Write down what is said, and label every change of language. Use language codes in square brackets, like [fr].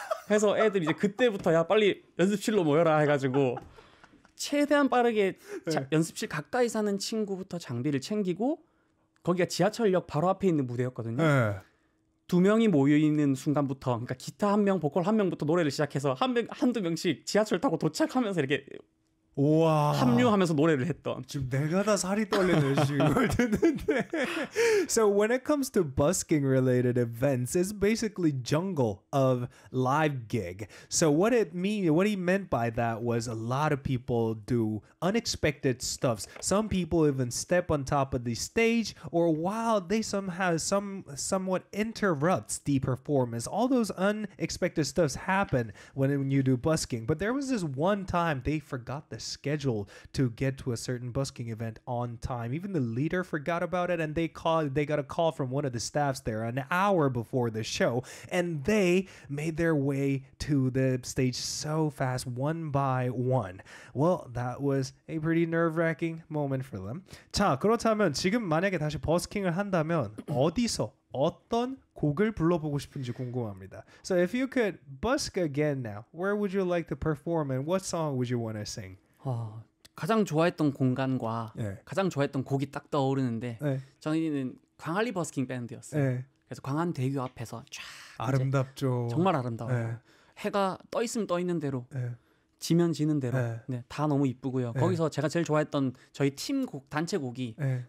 [ko] 해서 애들 이제 그때부터 야 빨리 연습실로 모여라 해가지고 최대한 빠르게 연습실 가까이 사는 친구부터 장비를 챙기고 거기가 지하철역 바로 앞에 있는 무대였거든요. 에. 두 명이 모여있는 순간부터, 그러니까 기타 한 명, 보컬 한 명부터 노래를 시작해서 한두 명씩 지하철 타고 도착하면서 이렇게 우와. 합류하면서 노래를 했던. 지금 내가 다 살이 떨리네, 지금 이걸 듣는데. [en] So when it comes to busking related events, it's basically jungle of live gig. So what he meant by that was a lot of people do unexpected stuff. Some people even step on top of the stage or while they somehow somewhat interrupts the performance. All those unexpected stuffs happen when you do busking. But there was this one time they forgot the schedule to get to a certain busking event on time. Even the leader forgot about it, and they got a call from one of the staffs there an hour before the show, and they made their way to the stage so fast, one by one. Well, that was a pretty nerve-wracking moment for them. [ko] 자, 그렇다면 지금 만약에 다시 버스킹을 한다면 어디서 어떤 곡을 불러보고 싶은지 궁금합니다. [en] So if you could busk again now, where would you like to perform and what song would you want to sing? [ko] 가장 좋아했던 공간과 네. 가장 좋아했던 곡이 딱 떠오르는데 네. 저희는 광안리 버스킹 밴드였어요. 네. 그래서 광안대교 앞에서 쫙 아름답죠. 정말 아름다워요. 네. 해가 떠 있으면 떠 있는 대로 네. 지면 지는 대로 네. 네, 다 너무 이쁘고요. 네. 거기서 제가 제일 좋아했던 저희 팀 곡, 단체 곡이 네.